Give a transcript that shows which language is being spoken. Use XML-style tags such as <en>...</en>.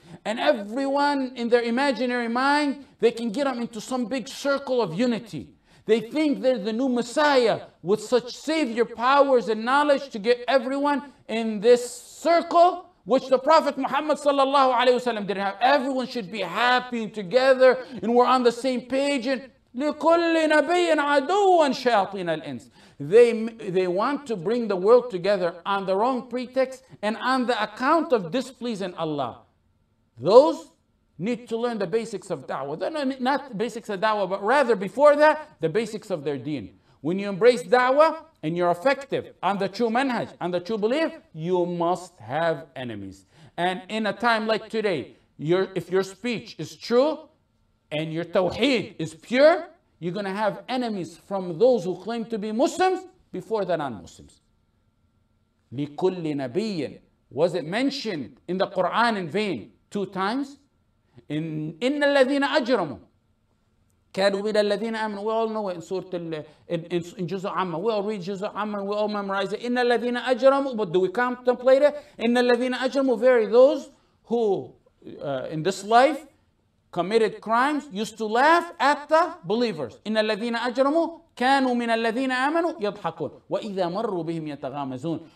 <en>And everyone in their imaginary mind, they can get them into some big circle of unity. They think they're the new Messiah with such savior powers and knowledge to get everyone in this circle, which the Prophet Muhammad sallallahu alaihi wasallam didn't have. Everyone should be happy and together, and we're on the same page.</en> <ar>And لِكُلِّ نَبِيٍ عَدُوًا شَيَاطِينَ الْإِنسِ.</ar> <en>They want to bring the world together on the wrong pretext and on the account of displeasing Allah. Those need to learn the basics of da'wah. Not basics of da'wah, but rather before that, the basics of their deen. When you embrace da'wah and you're effective on the true manhaj, on the true belief, you must have enemies. And in a time like today, if your speech is true and your tawheed is pure, you're going to have enemies from those who claim to be Muslims before the non-Muslims.</en> <ar>لِكُلِّ نَبِيٍ.</ar> <en>Was it mentioned in the Qur'an in vain? Two times, in</en> <ar>إِنَّ الَّذِينَ أَجْرَمُوا كَانُوا مِنَ الَّذِينَ آمَنُوا.</ar> <en>We all know it in Surah in Juz Amma. We all read Juz Amma and we all memorize it.</en> <ar>إِنَّ الَّذِينَ أَجْرَمُوا.</ar> <en>But do we contemplate it?</en> <ar>إِنَّ الَّذِينَ أَجْرَمُوا.</ar> <en>Very those who in this life committed crimes used to laugh at the believers.</en> <ar>إِنَّ الَّذِينَ أَجْرَمُوا كَانُوا مِنَ الَّذِينَ آمَنُوا يَضْحَكُونَ وَإِذَا مَرُّوا بِهِمْ يَتَغَامَزُونَ.</ar>